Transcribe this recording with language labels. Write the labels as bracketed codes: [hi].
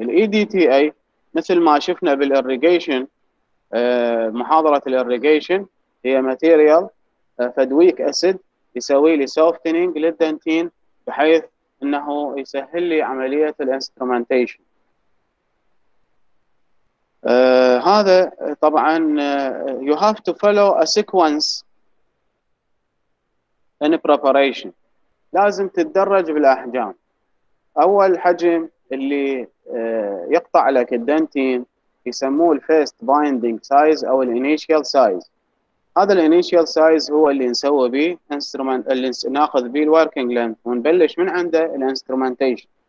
[ar] ال EDTA مثل ما شفنا بالإريجيشن، محاضرة الإريجيشن، هي ماتيريال فدويك أسيد يسوي لي سوفتنينج للدنتين بحيث انه يسهل لي عملية الانسترومنتيشن. هذا طبعا [en] you have to follow a sequence in preparation. [ar] لازم تتدرج بالأحجام. أول حجم اللي يقطع لك الدنتين يسموه first binding size أو initial size. هذا initial size هو اللي نسوي بيه instrument، اللي ناخذ بيه working length ونبلش من عنده instrumentation.